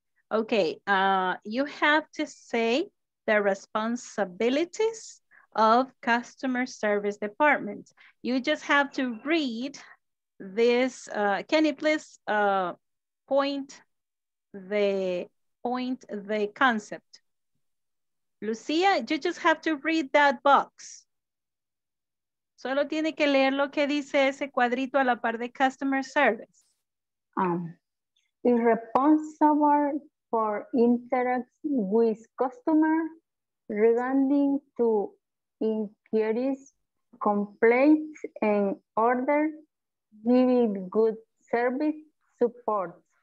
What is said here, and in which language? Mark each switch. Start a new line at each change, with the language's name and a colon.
English: Okay, you have to say the responsibilities of customer service department. You just have to read this. Can you please point the concept? Lucia, you just have to read that box.
Spanish: Solo tiene que leer lo que dice ese cuadrito a la par de customer service.
English: Is responsible for interacts with customer regarding to inquiries, complaints, and order, giving good service support.